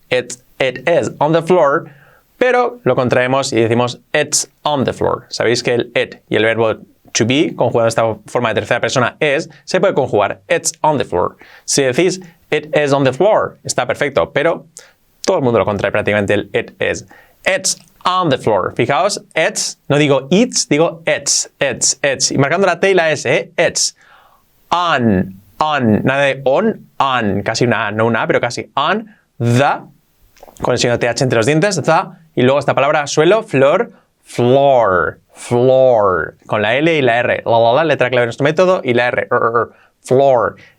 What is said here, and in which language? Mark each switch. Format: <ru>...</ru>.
<en>It is on the floor.</en> <es>Pero lo contraemos y decimos</es> <en>it's on the floor.</en> <es>Sabéis que el it y el verbo to be, conjugado de esta forma de tercera persona, es, se puede conjugar</es> <en>it's on the floor.</en> <es>Si decís</es> <en>it is on the floor,</en> <es>está perfecto. Pero todo el mundo lo contrae prácticamente el it is.</es> <en>It's on the floor.</en> <es>Fijaos, it's, no digo it's, digo it's. Y marcando la T y la S, it's. On, nada de on, casi una A, no una A, pero casi on, the, con el signo TH entre los dientes, the, y luego esta palabra, suelo, floor, floor, con la L y la R, la, letra clave de nuestro método, y la R, floor.</es>